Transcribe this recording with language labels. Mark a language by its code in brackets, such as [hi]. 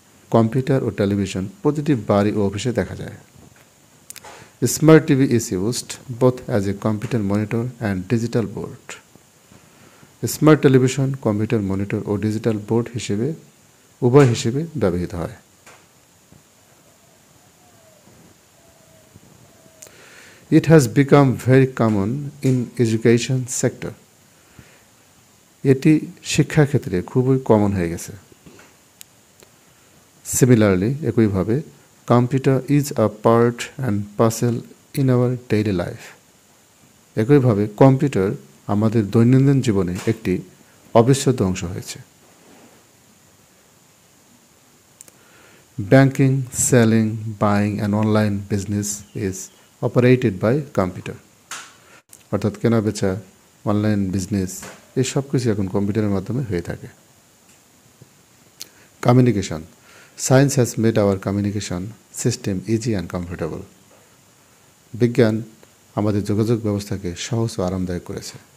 [bn] Computer ও television প্রতিটি বাড়ি ও অফিসে দেখা যায়। [en] Smart TV is used both as a computer monitor and digital board. [bn] Smart television computer monitor O digital board হিসেবে, উভয় হিসেবে ব্যবহৃত হয়। [en] It has become very common in education sector. [bn] এটি শিক্ষা ক্ষেত্রে খুবই কমন হয়ে গেছে. [en] Similarly, [bn] একইভাবে [en] computer is a part and parcel in our daily life. [bn] একইভাবে কম্পিউটার আমাদের দৈনন্দিন জীবনে একটি অবিচ্ছেদ্য অংশ হয়েছে. [en] Banking, selling, buying and online business is operated by computer. [bn] অর্থাৎ কেনা বেচা, অনলাইন বিজনেস এসব কিছু এখন কম্পিউটারের মাধ্যমে হয়ে থাকে. [en] Communication, science has made our communication system easy and comfortable. [bn] বিজ্ঞান আমাদের যোগাযোগ ব্যবস্থাকে সহজ ও আরামদায়ক করেছে.